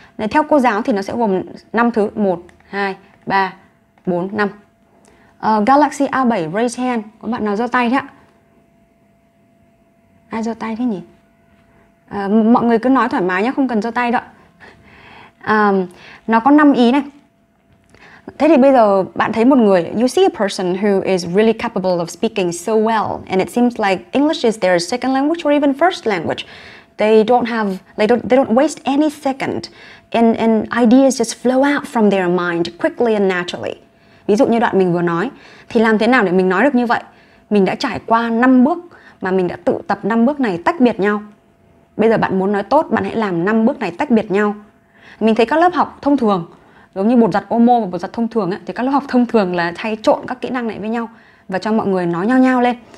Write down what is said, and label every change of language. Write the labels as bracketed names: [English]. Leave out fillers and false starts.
[Vietnamese] Theo cô giáo thì nó sẽ gồm 5 thứ. 1, 2, 3, 4, 5. Galaxy A7, raise hand. Có bạn nào giơ tay thế ạ? Ai giơ tay thế nhỉ? Mọi người cứ nói thoải mái nhé, không cần giơ tay đâu. Nó có 5 ý này. [English] Thế thì bây giờ bạn thấy một người, you see a person who is really capable of speaking so well, and it seems like English is their second language or even first language. They don't waste any second, and ideas just flow out from their mind quickly and naturally. [Vietnamese] Ví dụ như đoạn mình vừa nói, thì làm thế nào để mình nói được như vậy? Mình đã trải qua 5 bước, mà mình đã tự tập 5 bước này tách biệt nhau. Bây giờ bạn muốn nói tốt, bạn hãy làm 5 bước này tách biệt nhau. Mình thấy các lớp học thông thường, giống như bột giặt Omo và bột giặt thông thường ấy, thì các lớp học thông thường là hay trộn các kỹ năng này với nhau và cho mọi người nói nhau nhau lên.